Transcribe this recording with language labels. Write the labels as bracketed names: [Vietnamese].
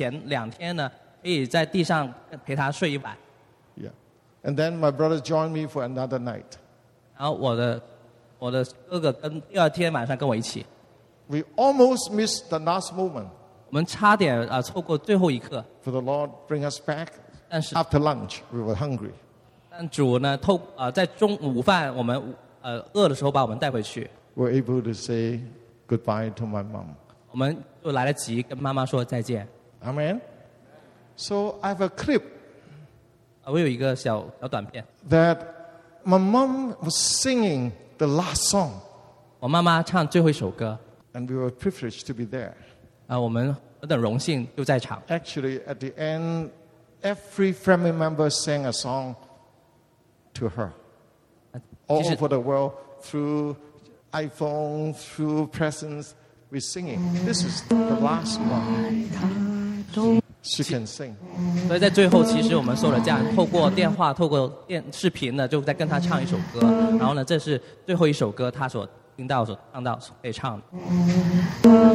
[Chinese] 我其中一个荣幸就是在她去之前两天呢，可以在地上陪她睡一晚。 [English] Yeah. And then my brother joined me for another night. [Chinese] 然后我的哥哥第二天晚上跟我一起。 [English] We almost missed the last moment. [Chinese] 我们差点错过最后一刻。 [English] For the Lord bring us back after lunch, we were hungry. [Chinese] 但主呢，在中午饭我们饿的时候把我们带回去。 [English] We're able to say goodbye to my mom. [Chinese] 我们就来得及跟妈妈说再见. [English] Amen. So I have a clip. [Chinese] 我有一个小短片. [English] That my mom was singing the last song [Chinese] 我妈妈唱最后一首歌。 [English] And we were privileged to be there. [Chinese] 我们很荣幸又在场。 [English] Actually, at the end, every family member sang a song to her. All over the world, through iPhone, through presents, we're singing. This is the last one. She can sing. [Chinese] 所以在最后，其实我们受了这样，透过电话、透过电视频呢，就在跟她唱一首歌。然后呢，这是最后一首歌，她所听到、所唱到、可以唱的。